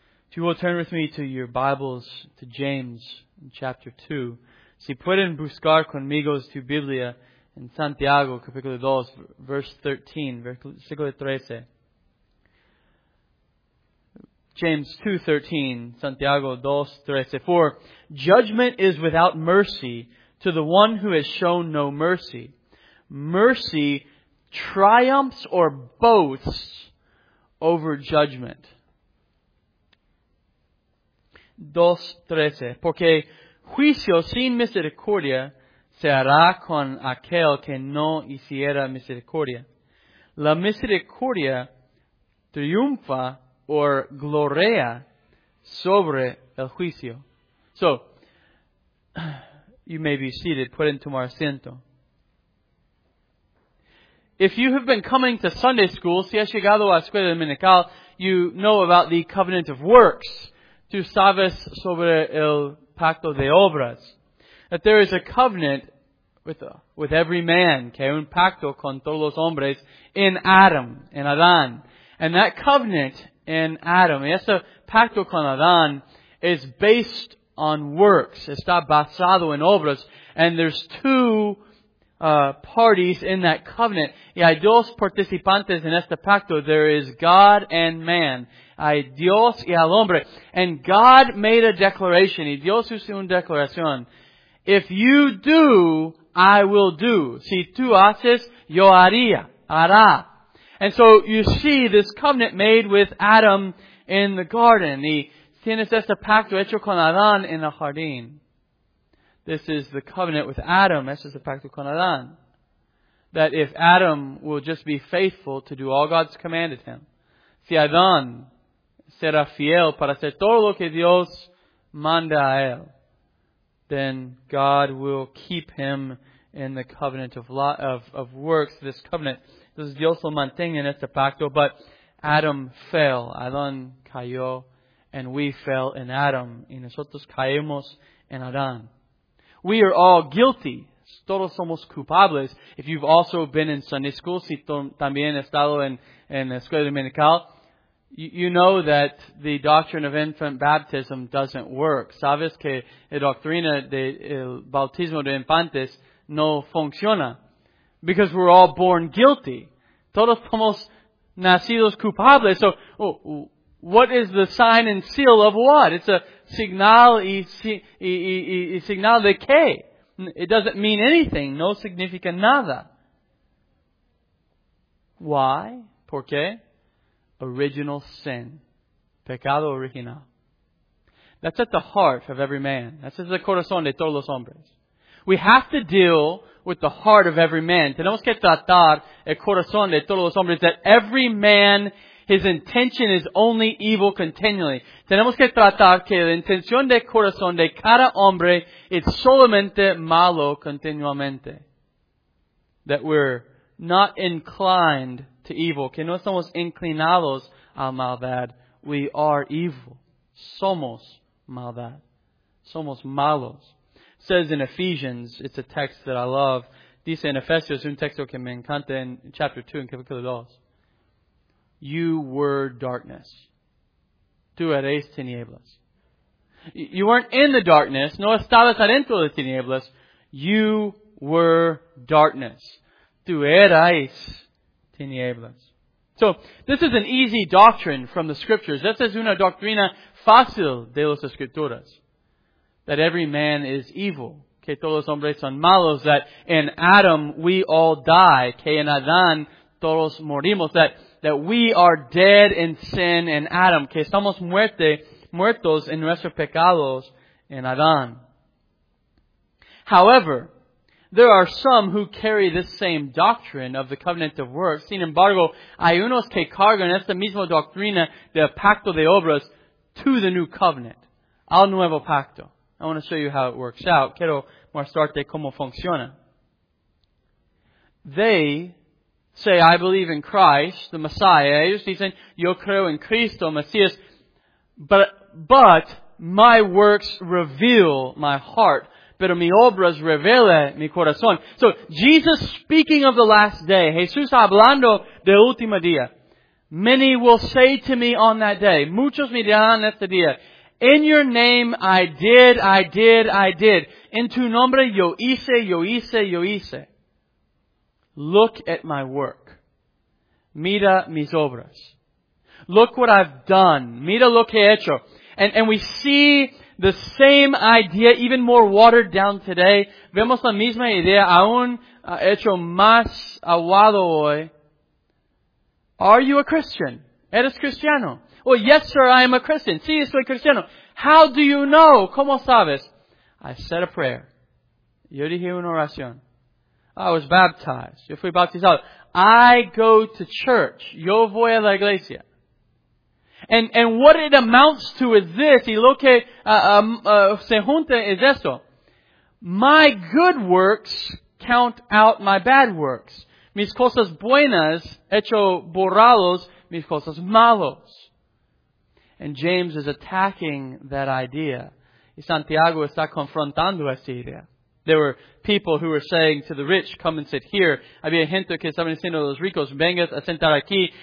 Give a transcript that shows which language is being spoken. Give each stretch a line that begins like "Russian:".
English: If you will turn with me to your Bibles, to James, in chapter 2.
Spanish: Si pueden buscar conmigo tu Biblia en Santiago, capítulo 2, verse 13, versículo 13.
English: James 2:13,
Spanish: Santiago 2:13.
English: For judgment is without mercy to the one who has shown no mercy. Mercy triumphs or boasts over judgment.
Spanish: 2:13. Porque juicio sin misericordia se hará con aquel que no hiciera misericordia. La misericordia triunfa
English: or
Spanish: gloria sobre el juicio.
English: So, you may be seated.
Spanish: Pueden tomar asiento.
English: If you have been coming to Sunday school,
Spanish: si has llegado a escuela dominical,
English: you know about the covenant of works.
Spanish: Tú sabes sobre el pacto de obras.
English: That there is a covenant with every man,
Spanish: que un pacto con todos los hombres
English: in Adam,
Spanish: in Adán.
English: And that covenant in Adam,
Spanish: ese pacto con Adán,
English: is based on works.
Spanish: Está basado en obras.
English: And there's two parties in that covenant.
Spanish: Y hay dos participantes en este pacto.
English: There is God and man.
Spanish: Hay Dios y al hombre.
English: And God made a declaration.
Spanish: Y Dios hizo una declaración.
English: If you do, I will do.
Spanish: Si tú haces, yo haría. Hará.
English: And so you see this covenant made with Adam in the garden.
Spanish: Y tienes este pacto hecho con Adán en el jardín.
English: This is the covenant with Adam. This is the
Spanish: pacto con Adán.
English: That if Adam will just be faithful to do all God's commanded him.
Spanish: Si Adán será fiel para hacer todo lo que Dios manda a él.
English: Then God will keep him in the covenant of works, this covenant.
Spanish: Entonces Dios lo mantiene en este pacto,
English: but Adam fell.
Spanish: Adán cayó,
English: and we fell in Adam.
Spanish: Y nosotros caemos en Adán.
English: We are all guilty.
Spanish: Todos somos culpables.
English: If you've also been in Sunday school,
Spanish: si también estado en la escuela dominical,
English: you know that the doctrine of infant baptism doesn't work.
Spanish: Sabes que la doctrina del bautismo de infantes no funciona.
English: Because we're all born guilty.
Spanish: Todos somos nacidos culpables.
English: So, what is the sign and seal of what? It's a signal
Spanish: y
English: signal
Spanish: de qué.
English: It doesn't mean anything.
Spanish: No significa nada.
English: Why?
Spanish: ¿Por qué?
English: Original sin.
Spanish: Pecado original.
English: That's at the heart of every man. That's at the
Spanish: corazón de todos los hombres.
English: We have to deal with the heart of every man.
Spanish: Tenemos que tratar el corazón de todos los hombres.
English: That every man, his intention is only evil continually.
Spanish: Tenemos que tratar que la intención del corazón de cada hombre es solamente malo continuamente.
English: That we're not inclined to evil.
Spanish: Que no estamos inclinados a maldad.
English: We are evil.
Spanish: Somos maldad. Somos malos.
English: Says in Ephesians, it's a text that I love.
Spanish: Dice en Efesios, un texto que me encanta en
English: chapter 2,
Spanish: en capítulo 2.
English: You were darkness.
Spanish: Tú eres tinieblas.
English: You weren't in the darkness.
Spanish: No estabas adentro de tinieblas.
English: You were darkness.
Spanish: Tú eres tinieblas.
English: So, this is an easy doctrine from the Scriptures.
Spanish: Esta es una doctrina fácil de las Escrituras. That every man is evil. Que todos hombres son malos.
English: That in Adam we all die.
Spanish: Que en Adán todos morimos.
English: That we are dead in sin in Adam.
Spanish: Que estamos muertos en nuestros pecados en Adán.
English: However, there are some who carry this same doctrine of the covenant of works.
Spanish: Sin embargo, hay unos que cargan esta misma doctrina del pacto de obras
English: to the new covenant.
Spanish: Al nuevo pacto.
English: I want to show you how it works out.
Spanish: Quiero mostrarte cómo funciona.
English: They say, I believe in Christ, the Messiah.
Spanish: Ellos dicen, yo creo en Cristo, Mesías.
English: But my works reveal my heart.
Spanish: Pero mi obras revela mi corazón.
English: So, Jesus speaking of the last day.
Spanish: Jesús hablando del último día.
English: Many will say to me on that day,
Spanish: muchos me dirán este día,
English: in your name I did, I did, I did.
Spanish: En tu nombre yo hice, yo hice, yo hice.
English: Look at my work.
Spanish: Mira mis obras.
English: Look what I've done. Mira lo que he hecho. And we see the same idea, even more watered down today.
Spanish: Vemos la misma idea, aún hecho más aguado hoy.
English: Are you a Christian?
Spanish: ¿Eres cristiano?
English: Well, yes, sir, I am a Christian.
Spanish: Sí, soy cristiano.
English: How do you know?
Spanish: ¿Cómo sabes?
English: I said a prayer.
Spanish: Yo dije una oración.
English: I was baptized.
Spanish: Yo fui bautizado.
English: I go to church.
Spanish: Yo voy a la iglesia.
English: And what it amounts to is this,
Spanish: y lo que se junta es esto.
English: My good works count out my bad works.
Spanish: Mis cosas buenas hecho borrados, mis cosas malos.
English: And James is attacking that idea.
Spanish: Y Santiago está confrontando esta idea.
English: There were people who were saying to the rich, come and sit here.
Spanish: Había gente que estaba diciendo a los ricos, vengas a sentar aquí.